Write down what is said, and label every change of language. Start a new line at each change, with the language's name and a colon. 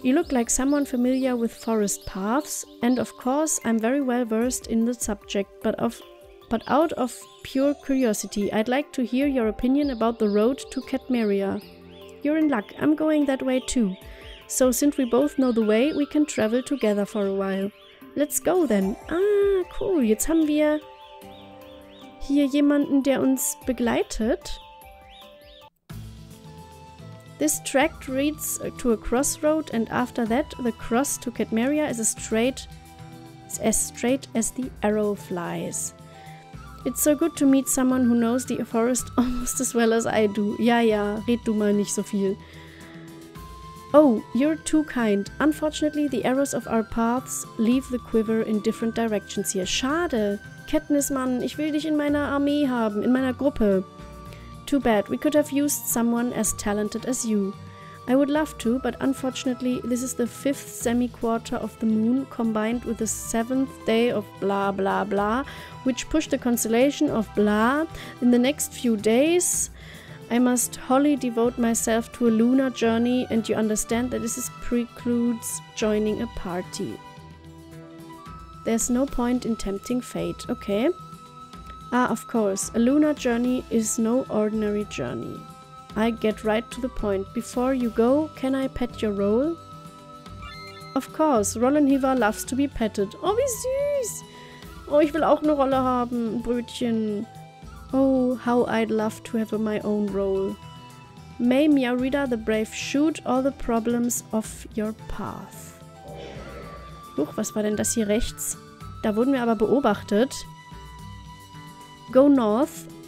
English: You look like someone familiar with forest paths. And of course, I'm very well versed in the subject. But out of pure curiosity, I'd like to hear your opinion about the road to Katmeria. You're in luck. I'm going that way too. So since we both know the way, we can travel together for a while. Let's go then. Ah, cool.
German: Jetzt haben wir hier jemanden, der uns begleitet.
English: This tract reads to a crossroad and after that the cross to Katmeria is as straight as the arrow flies. It's so good to meet someone who knows the forest almost as well as I do.
German: Ja, ja, red du mal nicht so viel.
English: Oh, you're too kind. Unfortunately, the arrows of our paths leave the quiver in different directions here.
German: Schade. Katniss, Mann, ich will dich in meiner Armee haben, in meiner Gruppe.
English: Too bad. We could have used someone as talented as you. I would love to, but unfortunately, this is the fifth semi-quarter of the moon combined with the seventh day of blah blah blah, which pushed the constellation of blah in the next few days. I must wholly devote myself to a lunar journey and you understand that this precludes joining a party. There's no point in tempting fate, okay? Ah, of course, a lunar journey is no ordinary journey. I get right to the point. Before you go, can I pet your roll? Of course, Rollin Heaver loves to be petted.
German: Oh, wie süß! Oh, ich will auch eine Rolle haben, Brötchen.
English: Oh, how I'd love to have my own role. May Miarida the Brave shoot all the problems off your path.
German: Huch, was war denn das hier rechts? Da wurden wir aber beobachtet.
English: Go north.